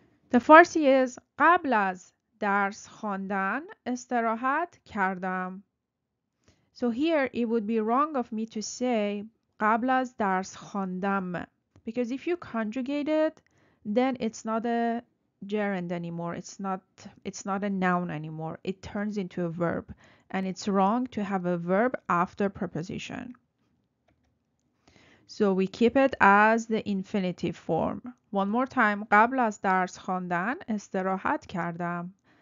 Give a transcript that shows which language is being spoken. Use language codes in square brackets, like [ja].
[en] The Farsi is [fa] قبل از درس خواندن استراحت کردم. [en] So here, it would be wrong of me to say [fa] قبل از درس خواندم, [en] because if you conjugate it, then it's not a gerund anymore. It's not a noun anymore. It turns into a verb, and it's wrong to have a verb after preposition. So we keep it as the infinitive form. One more time. [fa] قبل از درس خواندن استراحت کردم.